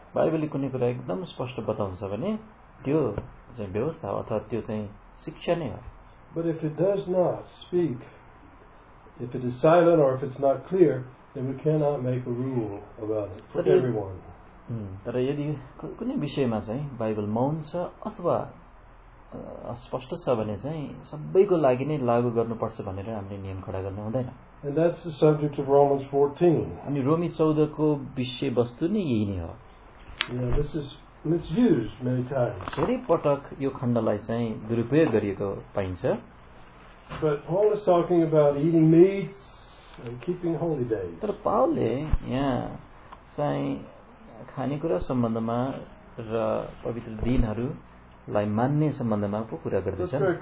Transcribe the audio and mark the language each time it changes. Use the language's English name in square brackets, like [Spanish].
[Nepali] बाइबलले कुनै कुरा एकदम स्पष्ट बताउँछ भने त्यो चाहिँ व्यवस्था अथवा त्यो चाहिँ शिक्षा नै हो. [English] But if it does not speak, if it is silent or if it's not clear, then we cannot make a rule about it for everyone. [Nepali] तर यदि कुनै विषयमा चाहिँ बाइबल मौन छ अथवा अस्पष्ट छ भने चाहिँ सबैको लागि नै लागू गर्नुपर्छ भनेर हामीले नियम खडा गर्न हुँदैन. [English] And that's the subject of Romans 14. [Nepali] अनि रोमी 14 को विषयवस्तु नै यही नै हो. [English] This is misused many times. [Nepali] धेरै पटक यो खण्डलाई चाहिँ दुरुपयोग गरिएको पाइन्छ. [English] But Paul is talking about eating meat and keeping holy days. [Nepali] तर पाउलले यहाँ चाहिँ खानेकुरा सम्बन्धमा र पवित्र दिनहरूलाई मान्ने सम्बन्धमा पो कुरा गर्दछ.